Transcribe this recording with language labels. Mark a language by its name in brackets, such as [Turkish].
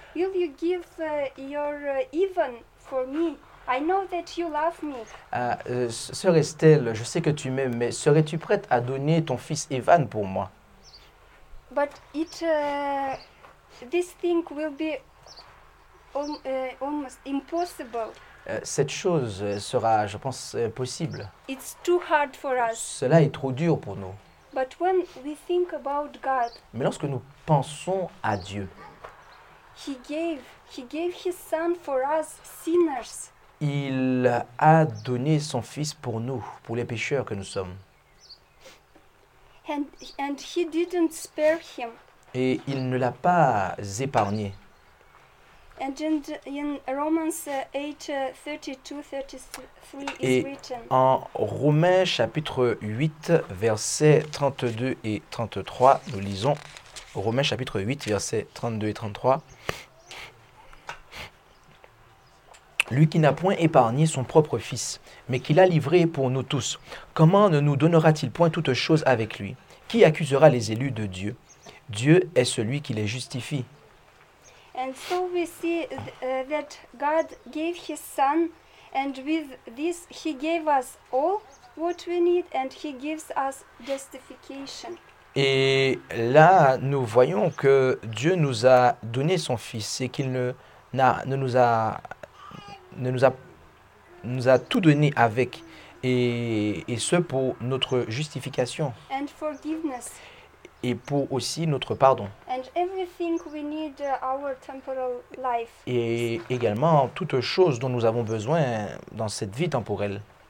[English] Will you give your even for me? I know that you love me. [French] Sœur Estelle, je sais que tu m'aimes, mais serais-tu prête à donner ton fils Evan pour moi? [English] But it this thing will be almost impossible. [French] Cette chose sera, je pense, possible. [English] It's too hard for us. [French] Cela est trop dur pour nous. [English] But when we think about God, [French] mais lorsque nous pensons à Dieu, [English] He gave His Son for us sinners. [French] Il a donné son Fils pour nous, pour les pécheurs que nous sommes. [English] And He didn't spare Him. [French] Et il ne l'a pas épargné. [English] And in Romans 8:32-33 is [French] et [English] written. [French] En Romains chapitre 8 versets 32 et 33, nous lisons Romains chapitre 8 versets 32 et 33. Lui qui n'a point épargné son propre fils, mais qui l'a livré pour nous tous, comment ne nous donnera-t-il point toute chose avec lui? Qui accusera les élus de Dieu? Dieu est celui qui les justifie. [English] And so we see that God gave his son, and with this he gave us all what we need, and he gives us justification. [French] Et là, nous voyons que Dieu nous a donné son fils, et qu'il nous a tout donné avec, et ce pour notre justification. [English] And forgiveness. [French] Et pour aussi notre pardon. [English] And everything we need, our temporal life. [French] Et également toute chose dont nous avons besoin dans cette vie temporelle.